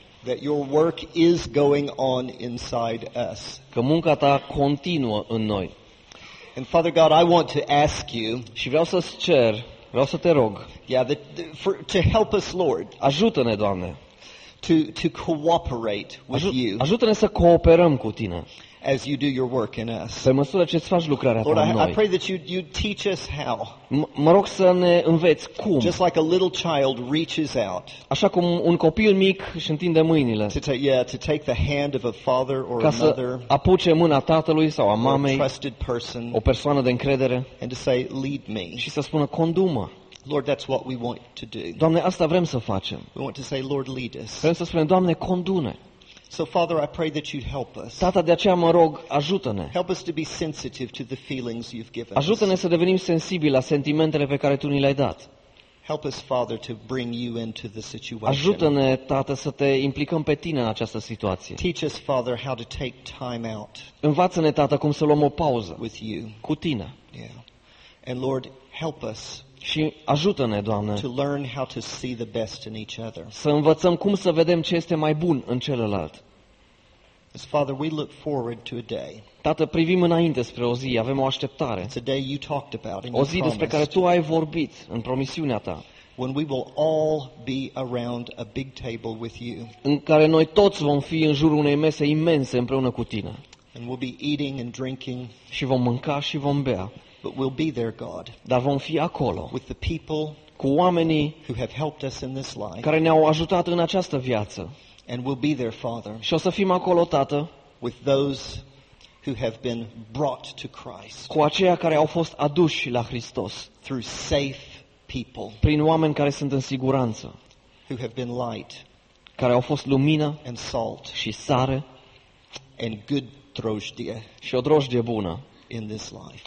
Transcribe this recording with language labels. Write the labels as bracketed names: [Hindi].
[English] That your work is going on inside us. [Romanian] Că munca ta continuă în noi. [English] And Father God, I want to ask you. [Romanian] Și vreau să-ți cer, vreau să te rog. [English] Yeah, to help us, Lord. [Romanian] Ajută-ne, Doamne. [English] To cooperate with you. [Romanian] Ajută-ne să cooperăm cu tine. [English] As you do your work in us. [Romanian] Pe măsură ce îți faci lucrarea [English] Lord, [Romanian] în noi. [English] I pray that you teach us how. [Romanian] Mă rog să ne înveți cum. [English] Just like a little child reaches out. [Romanian] Așa cum un copil mic își întinde mâinile. [English] To take the hand of a father or [Romanian] ca [English] a mother. [Romanian] Să apuce mâna tatălui sau a mamei. [English] A trusted person. [Romanian] O persoană de încredere. [English] And to say lead me. [Romanian] Și să spună condu-mă. [English] Lord, that's what we want to do. [Romanian] Doamne, asta vrem să facem. [English] We want to say Lord lead us. [Romanian] Vrem să spunem Doamne condu-ne. [English] So Father, I pray that you'd help us. [Romanian] Tată, de aceea mă rog, ajută-ne. [English] Help us to be sensitive to the feelings you've given. [Romanian] Ajută-ne să devenim sensibili la sentimentele pe care tu ni le-ai dat. [English] Help us Father to bring you into the situation. [Romanian] Ajută-ne, Tată, să te implicăm pe tine în această situație. [English] Teach us Father how to take time out. [Romanian] Învață-ne, Tată, cum să luăm o pauză. [English] With you. [Romanian] Cu tine. [English] Yeah. And Lord, help us. [Romanian] Și ajută-ne, Doamne, [English] to learn how to see the best in each other. [Romanian] Să învățăm cum să vedem ce este mai bun în celălalt. [English] As Father, we look forward to a day. [Romanian] Tată, privim înainte spre o zi, avem o așteptare. [English] It's a day you talked about. [Romanian] O zi despre care tu ai vorbit în promisiunea ta. [English] When we will all be around a big table with you. [Romanian] În care noi toți vom fi în jurul unei mese imense împreună cu tine. [English] And we'll be eating and drinking. [Romanian] Și vom mânca și vom bea. [English] But we'll be there, God. [Romanian] Dar vom fi acolo. [English] With the people, [Romanian] cu oamenii [English] who have helped us in this life, [Romanian] care ne-au ajutat în această viață. [English] And we'll be there, Father. [Romanian] Și o să fim acolo, Tată. [English] With those who have been brought to Christ. [Romanian] Cu aceia care au fost aduși la Hristos. [English] Through safe people. [Romanian] Prin oameni care sunt în siguranță. [English] Who have been light. [Romanian] Care au fost lumină. [English] And salt. [Romanian] Și sare. [English] And good drojdie. [Romanian] Și o drojdie bună. [English] In this life.